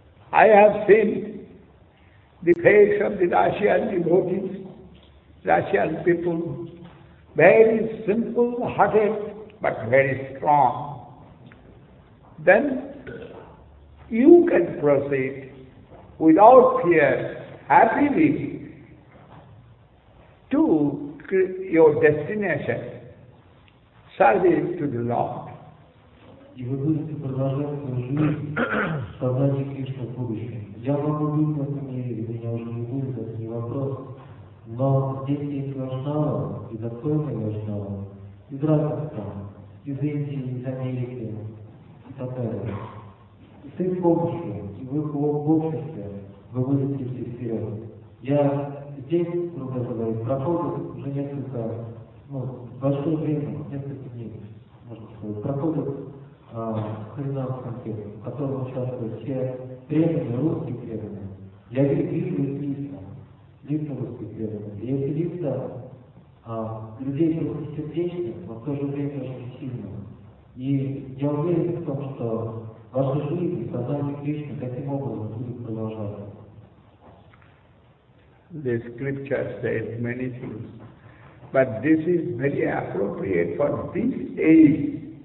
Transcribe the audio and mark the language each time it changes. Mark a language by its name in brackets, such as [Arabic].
[English] I have seen the face of the Russian devotees, Russian people, very simple-hearted, but very strong. Then you can proceed without fear, happily, to your destination, service to the Lord. [Russian] И вы будете продолжать свою жизнь в сознании Кришны в будущем. Я могу быть в этом мире, и меня уже не будет, это не вопрос. Но здесь есть Вайшнава, и достойная Вайшнава, из Раджастана, из Индии, из Америки, и так далее. И ты в обществе, и вы в обществе, вы будете идти вперед. Я здесь, грубо говоря, прохожу уже несколько, большое время, несколько дней, можно сказать, прохожу Харинам Санкет, в котором участвуют все преданные, русские преданные. Я вижу их лица русских преданных. И эти лица людей сердечных, но в то же время очень сильных. И я уверен в том, что ваша жизнь и сознание Кришны таким образом будет продолжаться. [English] The scripture says many things, but this is very appropriate for this age.